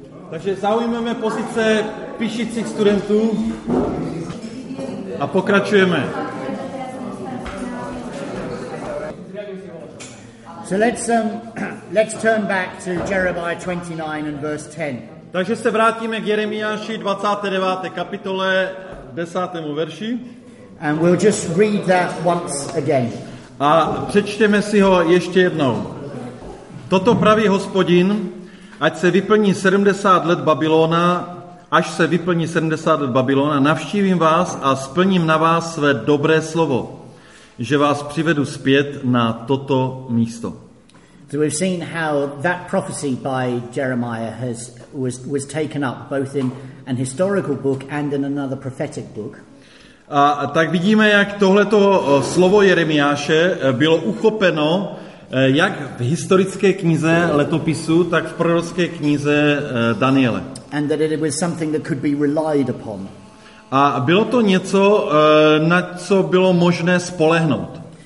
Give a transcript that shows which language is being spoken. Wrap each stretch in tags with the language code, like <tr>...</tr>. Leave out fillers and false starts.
<cs>Takže zaujmeme pozice píšících studentů a pokračujeme.</cs> <en>So let's turn back to Jeremiah 29 and verse 10.</en> <cs>Takže se vrátíme k Jeremiáši 29. kapitole 10. verši.</cs> <en>And we'll just read that once again.</en> <cs>A přečteme si ho ještě jednou. Toto praví Hospodin, ať se vyplní 70 let Babylona, až se vyplní 70 let Babylona, navštívím vás a splním na vás své dobré slovo, že vás přivedu zpět na toto místo.</cs> <en>So we've seen how that prophecy by Jeremiah was taken up both in an historical book and in another prophetic book.</en> <cs>A tak vidíme, jak tohleto slovo Jeremiáše bylo uchopeno jak v historické knize letopisu, tak v prorocké knize Daniele.</cs> <en>And that it was something that could be relied upon.</en> <cs>A bylo to něco, na co bylo možné spolehnout.</cs>